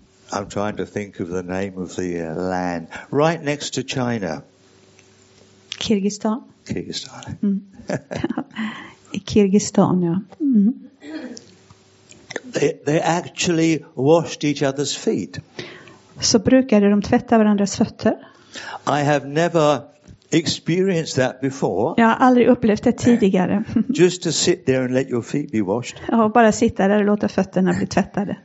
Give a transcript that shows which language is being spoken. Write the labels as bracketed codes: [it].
[en] I'm trying to think of the name of the land. Right next to China. Kyrgyzstan. Kyrgyzstan. [sv] I Kyrgyzstan, ja. [en] They actually washed each other's feet. [sv] Så brukade de tvätta varandras fötter. [en] I have never experienced that before. [sv] Jag har aldrig upplevt det tidigare. [en] Just to sit there and let your feet be washed. [sv] Ja, bara sitta där och låta fötterna bli tvättade.